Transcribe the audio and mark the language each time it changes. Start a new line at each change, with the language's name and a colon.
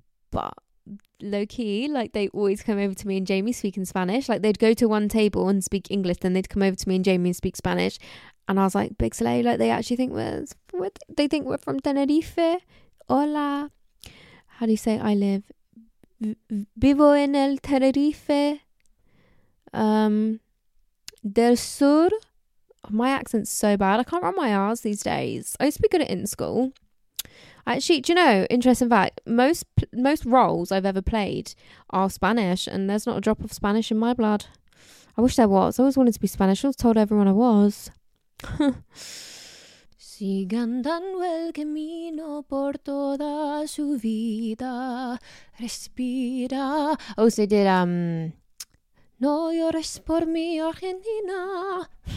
English: But low-key, like, they always come over to me and Jamie speaking Spanish. Like, they'd go to one table and speak English, then they'd come over to me and Jamie and speak Spanish, and I was like, big slay. Like, they actually think we're from Tenerife. Hola, how do you say I live?
Spanish: Vivo en el Tenerife del sur.
English: My accent's so bad, I can't run my R's these days. I used to be good at in school. Actually, do you know, interesting fact, most roles I've ever played are Spanish and there's not a drop of Spanish in my blood. I wish there was. I always wanted to be Spanish. I was told everyone I was.
Spanish: Sigan dando el camino por toda su vida. Respira.
English: Oh, so they did,
Spanish: No llores por mi Argentina.